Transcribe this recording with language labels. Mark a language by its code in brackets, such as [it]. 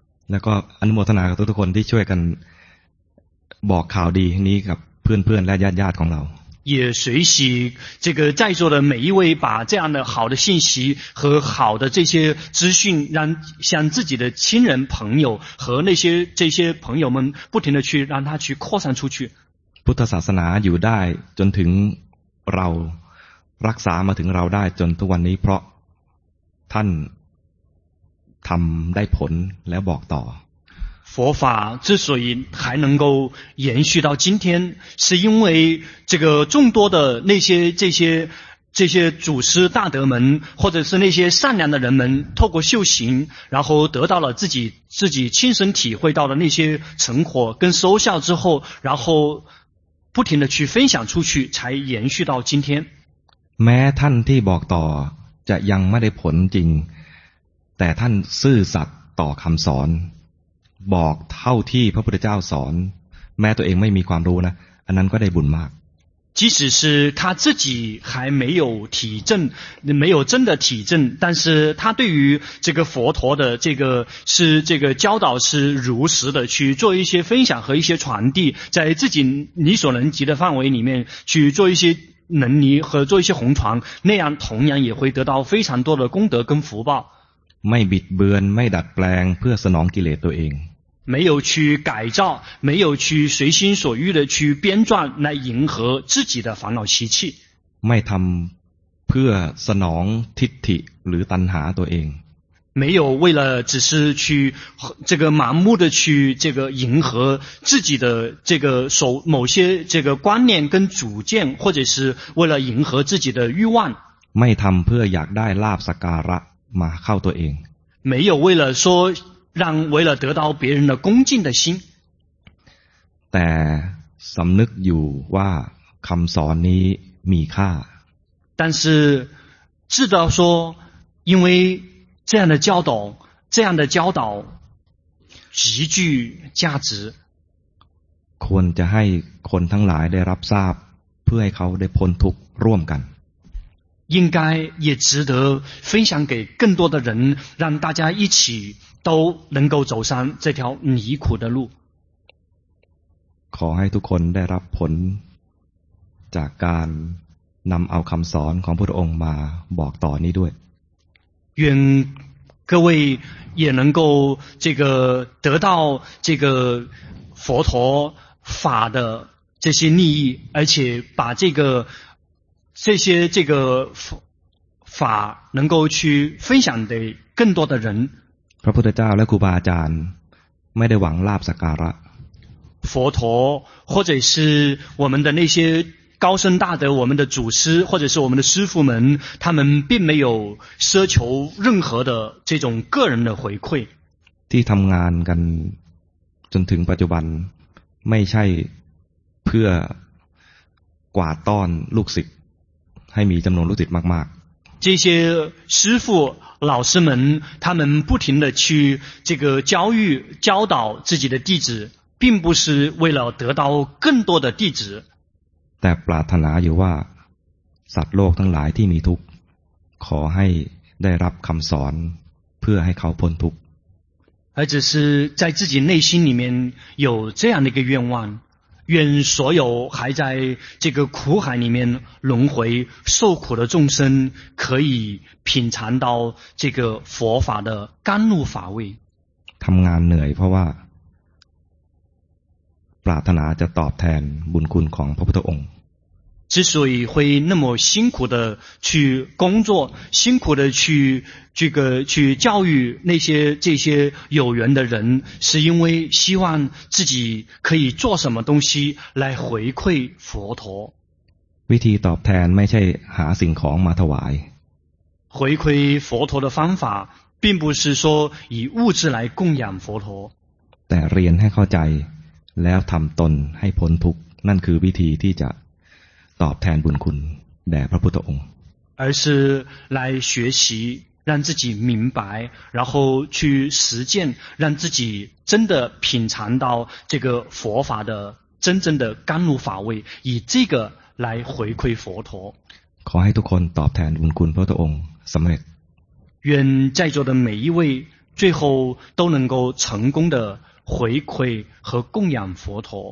[th] แล้วก็อนุโมทนากับทุกคนที่ช่วยกันบอกข่าวดีนี้กับเพื่อนๆและญาติๆของเรา [zh] 也随喜这个在座的每一位把这样的好的信息和好的这些资讯让向自己的亲人朋友和那些这些朋友们不停的去让他去扩散出去 [th] พุทธศาสนาอยู่ได้จนถึงเรารักษามาถึงเราได้จนทุกวันนี้เพราะท่านทำได้ผลแล้วบอกต่อ [zh] 佛法之所以还能够延续到今天是因为这个众多的那些这些祖师大德们或者是那些善良的人们透过修行然后得到了自己亲身体会到的那些成果跟收效之后然后不停的去分享出去才延续到今天 [th] แม้ท่านที่บอกต่อจะยังไม่ได้ผลจริงแต่ท่านซื่อสัตย์ต่อคำสอนบอกเท่าที่พระพุทธเจ้าสอนแม้ตัวเองไม่มีความรู้นะอันนั้นก็ได้บุญมาก [zh] 即使是他自己还没有体证没有真的体证但是他对于这个佛陀的这个是这个教导是如实的去做一些分享和一些传递在自己力所能及的范围里面去做一些能力和做一些弘传那样同样也会得到非常多的功德跟福报 [th] ไม่บิดเบือนไม่ดัดแปลงเพื่อสนองกิเลสตัวเอง [zh] 没有去改造没有去随心所欲的去编撰来迎合自己的烦恼习气 [th] ไม่ทำเพื่อสนองทิฏฐิหรือตัณหาตัวเอง [zh] 没有为了只是去这个盲目的去这个迎合自己的这个某些这个观念跟主见或者是为了迎合自己的欲望 [th] ไม่ทำเพื่ออยากได้ลาภสักการะมาเข้าตัวเอง [zh] 没有为了说让为了得到别人的恭敬的心 [th] แต่สำนึกอยู่ว่าคำสอนนี้มีค่า [zh] 但是知道说因为这样的教导这样的教导极具价值 [th] ควรจะให้คนทั้งหลายได้รับทราบเพื่อให้เขาได้พ้นทุกข์ร่วมกัน [zh] 应该也值得分享给更多的人让大家一起都能够走上这条离苦的路 [th] ขอให้ทุกคนได้รับผลจากการนำเอาคำสอนของพระองค์มาบอกต่อนี้ด้วย [zh] 愿各位也能够这个得到这个佛陀法的这些利益，而且把这个这些这个法能够去分享给更多的人。 [th] พระพุทธเจ้าและครูบาอาจารย์ไม่ได้หวังลาภสักการะ [zh] 佛陀或者是我们的那些高僧大德，我们的祖师或者是我们的师父们，他们并没有奢求任何的这种个人的回馈。 [th] ที่ทำงานกันจนถึงปัจจุบันไม่ใช่เพื่อกวาดต้อนลูกศิษย์ให้มีจำนวนลูกศิษย์มาก [zh] ๆ这些师父老师们他们不停的去这个教育教导自己的弟子，并不是为了得到更多的弟子。 [th] แต่ปรารถนาอยู่ว่าสัตว์โลกทั้งหลายที่มีทุกข์ขอให้ได้รับคำสอนเพื่อให้เขาพ้นทุกข์ [zh] 而只是在自己内心里面有这样的一个愿望，愿所有还在这个苦海里面轮回受苦的众生可以品尝到这个佛法的甘露法味。 [th] ทำงานเหนื่อยเพราะว่าปรารถนาจะตอบแทนบุญคุณของพระพุทธองค์ [zh] 之所以会那么辛苦的去工作，辛苦的去这个去教育那些这些有缘的人，是因为希望自己可以做什么东西来回馈佛陀。 [th] วิธีตอบแทนไม่ใช่หาสิ่งของมาถวาย。 [zh] 回馈佛陀的方法，并不是说以物质来供养佛陀。 [th] แต่เรียนให้เข้าใจแล้วทำตนให้พ้นทุกข์นั่นคือวิธีที่จะตอบแทนบุญคุณแด่พระพุทธองค์ [zh] 而是来学习让自己明白然后去实践让自己真的品尝到这个佛法的真正的甘露法味以这个来回馈佛陀 [th] ขอให้ทุกคนตอบแทนบุญคุณพระพุทธองค์สำเร็จ [zh] 愿在座的每一位最后都能够成功的回馈和供养佛陀。